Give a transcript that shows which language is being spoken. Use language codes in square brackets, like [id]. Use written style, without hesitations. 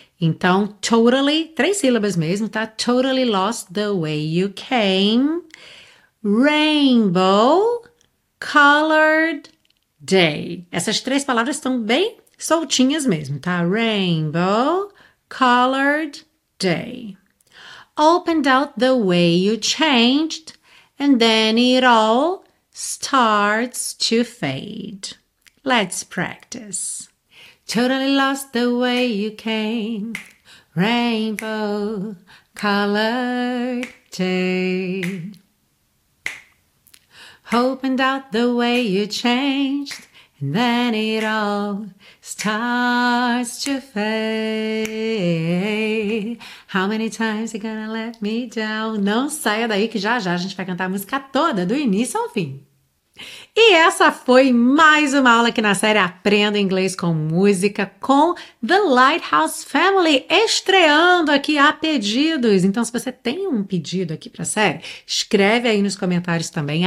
[pt] Então, totally, três sílabas mesmo, tá? [en] Totally lost the way you came. Rainbow, colored day. [pt] Essas três palavras estão bem soltinhas mesmo, tá? [en] Rainbow, colored day. Opened out the way you changed, and then it all starts to fade. Let's practice. Totally lost the way you came, rainbow colored day. Opened out the way you changed, Then it all starts to fade. How many times you gonna let me down? [pt] Não saia daí que já já a gente vai cantar a música toda, do início ao fim. E essa foi mais uma aula aqui na série Aprenda Inglês com Música com The Lighthouse Family, estreando aqui a pedidos. Então, se você tem um pedido aqui para a série, escreve aí nos comentários também.